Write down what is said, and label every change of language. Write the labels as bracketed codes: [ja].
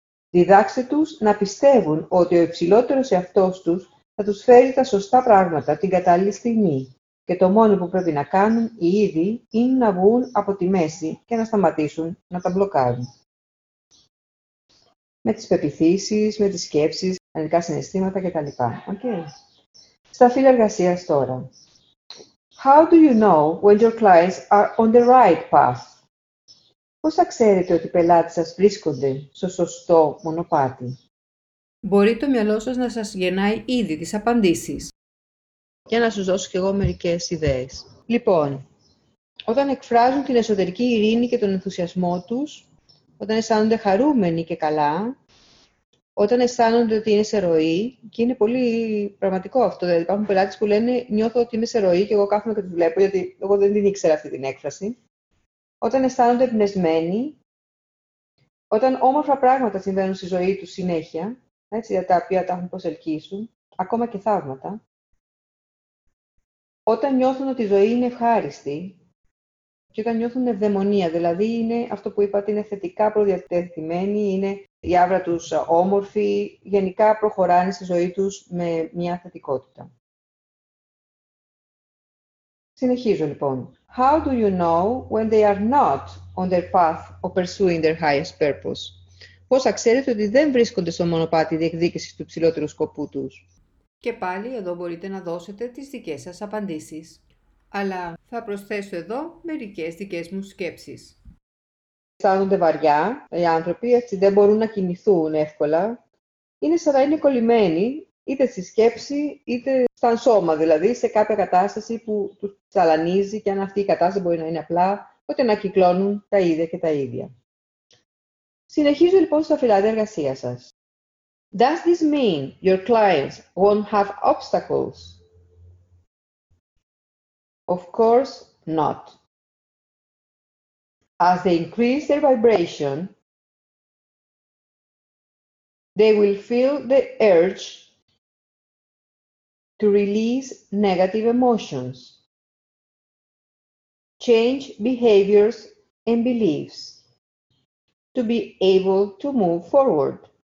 [el] Διδάξτε τους να πιστεύουν ότι ο υψηλότερος εαυτός τους θα τους φέρει τα σωστά πράγματα την κατάλληλη στιγμή και το μόνο που πρέπει να κάνουν οι ίδιοι είναι να βγουν από τη μέση και να σταματήσουν να τα μπλοκάρουν. Με τις πεπιθήσεις, με τις σκέψεις, ανικά συναισθήματα κτλ. Okay. Στα φύλλα εργασίας τώρα. [en] How do you know when your clients are on the right path? [el] Πώς θα ξέρετε ότι οι πελάτες σας βρίσκονται στο σωστό μονοπάτι? Μπορεί το μυαλό σας να σας γεννάει ήδη τις απαντήσεις. Για να σας δώσω κι εγώ μερικές ιδέες. Λοιπόν, όταν εκφράζουν την εσωτερική ειρήνη και τον ενθουσιασμό τους, όταν αισθάνονται χαρούμενοι και καλά, όταν αισθάνονται ότι είναι σε ροή, και είναι πολύ πραγματικό αυτό, δηλαδή υπάρχουν πελάτες που λένε «νιώθω ότι είμαι σε ροή και εγώ κάθομαι και τη βλέπω», γιατί εγώ δεν την ήξερα αυτή την έκφραση. Όταν αισθάνονται εμπνευσμένοι, όταν όμορφα πράγματα συμβαίνουν στη ζωή τους συνέχεια, έτσι, για τα οποία τα έχουν προσελκύσουν, ακόμα και θαύματα, όταν νιώθουν ότι η ζωή είναι ευχάριστη και όταν νιώθουν ευδαιμονία, δηλαδή είναι αυτό που είπατε, είναι θετικά προδιατεθειμένοι, είναι η άβρα τους όμορφη, γενικά προχωράνε στη ζωή τους με μια θετικότητα. Συνεχίζω λοιπόν. [en] How do you know when they are not on their path of pursuing their highest purpose? [el] Πώς θα ξέρετε ότι δεν βρίσκονται στο μονοπάτι διεκδίκησης του υψηλότερου σκοπού τους? Και πάλι εδώ μπορείτε να δώσετε τις δικές σας απαντήσεις. Αλλά θα προσθέσω εδώ μερικές δικές μου σκέψεις. Αισθάνονται βαριά οι άνθρωποι, έτσι δεν μπορούν να κινηθούν εύκολα. Είναι σαν να είναι κολλημένοι, είτε στη σκέψη, είτε στα σώμα, δηλαδή σε κάποια κατάσταση που τους ταλανίζει και αν αυτή η κατάσταση μπορεί να είναι απλά, ούτε να κυκλώνουν τα ίδια και τα ίδια. Συνεχίζω λοιπόν στα φυλάδια εργασία σας. [en] Does this mean your clients won't have obstacles? Of course not. As they increase their vibration, they will feel the urge to release negative emotions, change behaviors and beliefs to be able to move forward.